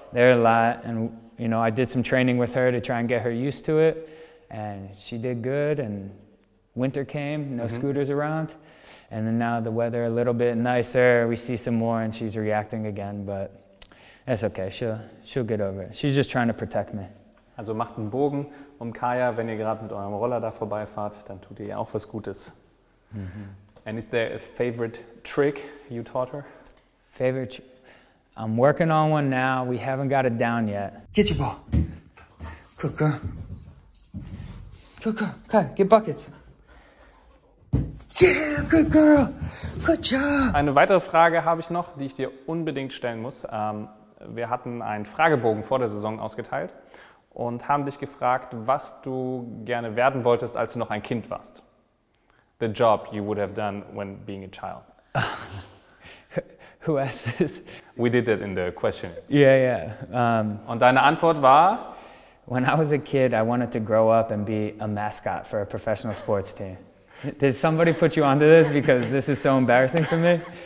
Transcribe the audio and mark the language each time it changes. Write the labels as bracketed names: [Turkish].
[English] There are a lot. And, you know, I did some training with her to try and get her used to it. And she did good. And winter came, no scooters around. And then now the weather a little bit nicer. We see some more and she's reacting again. But it's okay. She'll get over it. She's just trying to protect me. [German] Also macht einen Bogen um Kaya, wenn ihr gerade mit eurem Roller da vorbeifahrt, dann tut ihr auch was Gutes. [English] And is there a favorite trick you taught her? I'm working on one now. We haven't got it down yet. Get your ball. Good girl. Good girl. Kai, get buckets. Yeah, good girl. Good job. [German] Eine weitere Frage habe ich noch, die ich dir unbedingt stellen muss. Wir hatten einen Fragebogen vor der Saison ausgeteilt und haben dich gefragt, was du gerne werden wolltest, als du noch ein Kind warst. [English] The job you would have done when being a child. Who asked this? We did that in the question. Yeah, yeah. [German] Und deine Antwort war? [English] When I was a kid, I wanted to grow up and be a mascot for a professional sports team. Did somebody put you onto this? Because this is so embarrassing for me.